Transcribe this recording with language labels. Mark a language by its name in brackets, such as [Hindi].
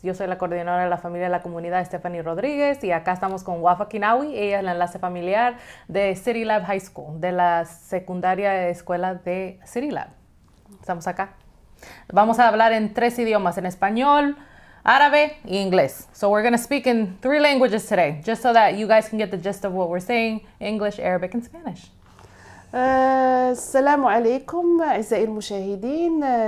[Spanish] Yo soy la coordinadora de la familia de la comunidad, Estaphany Rodriguez, y acá estamos con Ouafa Kinaoui. Ella es la enlace familiar de CityLab High School, de la secundaria escuela de CityLab. Estamos acá. Vamos a hablar en tres idiomas, en español, árabe y inglés. [English] So we're going to speak in three languages today, just so that you guys can get the gist of what we're saying, English, Arabic, and Spanish. [Arabic] السلام عليكم أعزائي المشاهدين.